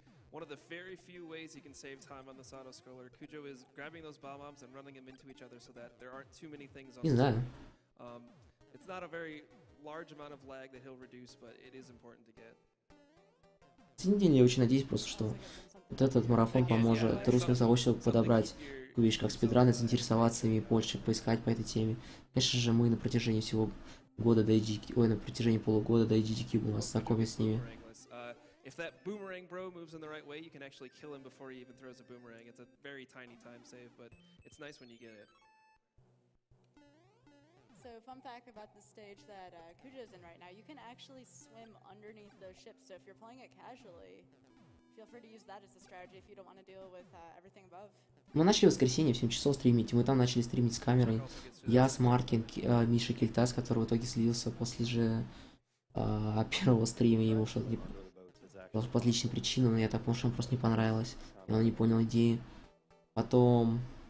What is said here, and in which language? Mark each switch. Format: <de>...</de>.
<en>One of the very few ways you can save time on the Sado Scroller, Cujo is grabbing those bomb bombs and running them into each other so that there aren't too many things on the screen. It's not a very large amount of lag that he'll reduce, but it is important to get.</en> <ru>Сегодня я очень надеюсь просто, что вот этот марафон поможет русским сообществам подобрать вещи, как спидраны, заинтересоваться ими больше, поискать по этой теме. Конечно же, мы на протяжении всего года до IGDQ, на протяжении полугода до IGDQ мы вас знакомим с ними.</ru> <en>If that boomerang bro moves in the right way, you can actually kill him before he even throws a boomerang. It's a very tiny time save, but it's nice when you get it. So fun fact about the stage that Kujo's in right now, you can actually swim underneath those ships, so if you're playing it casually, feel free to use that as a strategy if you don't want to deal with everything above.</en> <ru>Мы начали в воскресенье в 7 часов стримить, и мы там начали стримить с камерой. Я с Маркин, Миша Кельтас, который в итоге слился после же первого стрима, ему что-то не... Просто по отличной причине, но я так понял, что ему просто не понравилось. И он не понял идеи. Потом...</ru>